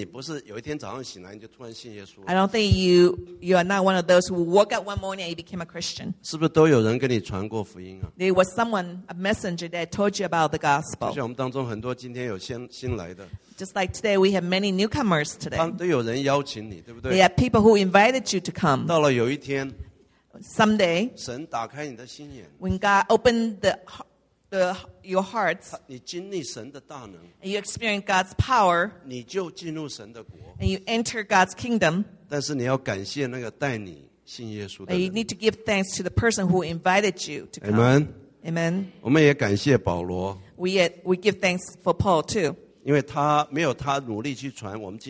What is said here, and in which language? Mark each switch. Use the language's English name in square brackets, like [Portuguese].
[Chinese] 我相信你不是有一天早上醒来你就突然信耶稣, [English] I don't think you are not one of those who woke up one morning and you became a Christian. [Chinese] 是不是都有人跟你传过福音啊? [English] There was someone, a messenger, that told you about the gospel. [Chinese] 就像我们当中很多今天有新来的, [English] just like today, we have many newcomers today. [Chinese] 都有人邀请你, [English] they are people who invited you to come. [Chinese] 到了有一天, [English] someday, [Chinese] 神打开你的心眼, [English] when God opened your hearts, [Chinese] 他, 你经历神的大能, [English] and you experience God's power, [Chinese] 你就进入神的国, [English] and you enter God's kingdom, [Chinese] 但是你要感谢那个带你信耶稣的人, [English] and you need to give thanks to the person who invited you to come. Amen. Amen. [Chinese] 我们也感谢保罗, [English] we give thanks for Paul too. [Chinese] 因为他没有他努力去传,